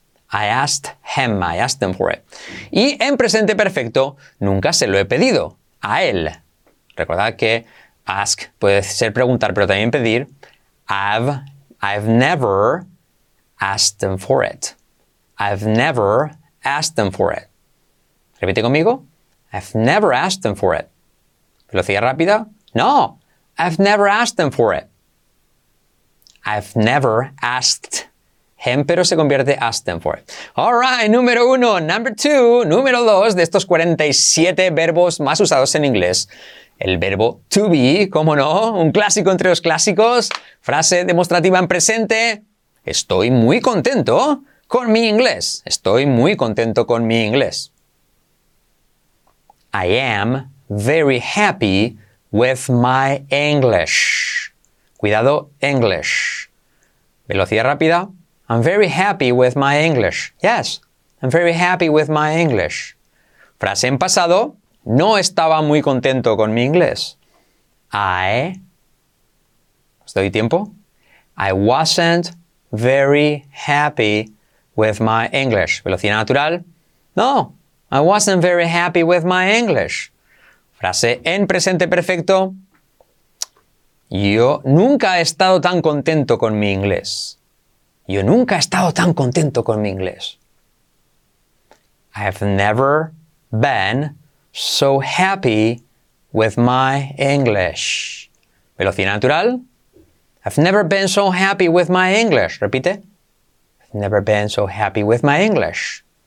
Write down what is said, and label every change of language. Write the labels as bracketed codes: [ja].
[en] I asked him, I asked him for it. [es] Y en presente perfecto, nunca se lo he pedido a él. Recordad que ask puede ser preguntar, pero también pedir. [en] I've never asked him for it. I've never asked him for it. [es] Repite conmigo. [en] I've never asked him for it. [es] Velocidad rápida. [en] No, I've never asked him for it. I've never asked him, [es] pero se convierte [en] asked him for it. All right, [es] número uno. [en] Number two, [es] número dos de estos 47 verbos más usados en inglés. El verbo to be, ¿cómo no? Un clásico entre los clásicos. Frase demostrativa en presente. Estoy muy contento con mi inglés. Estoy muy contento con mi inglés. [en] I am very happy with my English. [es] Cuidado, English. Velocidad rápida. [en] I'm very happy with my English. Yes, I'm very happy with my English. [es] Frase en pasado. No estaba muy contento con mi inglés. ¿Os doy tiempo? [en] I wasn't very happy with my English. [es] Velocidad natural. [en] No, I wasn't very happy with my English. [es] Frase en presente perfecto. Yo nunca he estado tan contento con mi inglés. Yo nunca he estado tan contento con mi inglés. [en] I've never been so happy with my English. [es] Velocidad natural. [en] I've never been so happy with my English. [es] Repite. [en] I've never been so happy with my English.